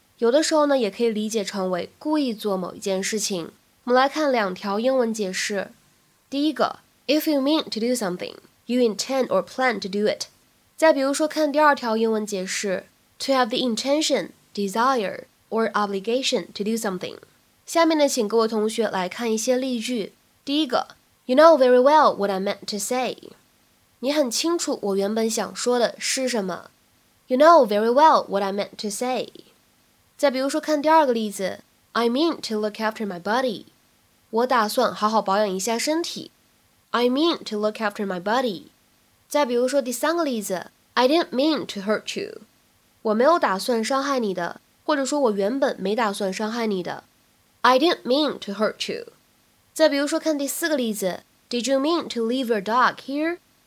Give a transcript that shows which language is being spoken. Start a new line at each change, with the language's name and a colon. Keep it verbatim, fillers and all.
Chinese: 有的时候呢，也可以理解成为故意做某一件事情。我们来看两条英文解释。第一个
English: ，If you mean to do something, you intend or plan to do it.
Chinese: 再比如说看第二条英文解释
English: to have the intention, desire, or obligation to do something.
Chinese: 下面呢请各位同学来看一些例句。第一个
English: You know very well what I meant to say.
Chinese: 你很清楚我原本想说的是什么。
English: You know very well what I meant to say.
Chinese: 再比如说看第二个例子
English: I mean to look after my body.
Chinese: 我打算好好保养一下身体。
English: I mean to look after my body.
Chinese: 再比如说第三个例子
English: I didn't mean to hurt you
Chinese: 我没有打算伤害你的，
English: 或者说我原本没打算伤害你的 I didn't mean to hurt you
Chinese: 再比如说看第四个例子
English: Did you mean to leave your dog here?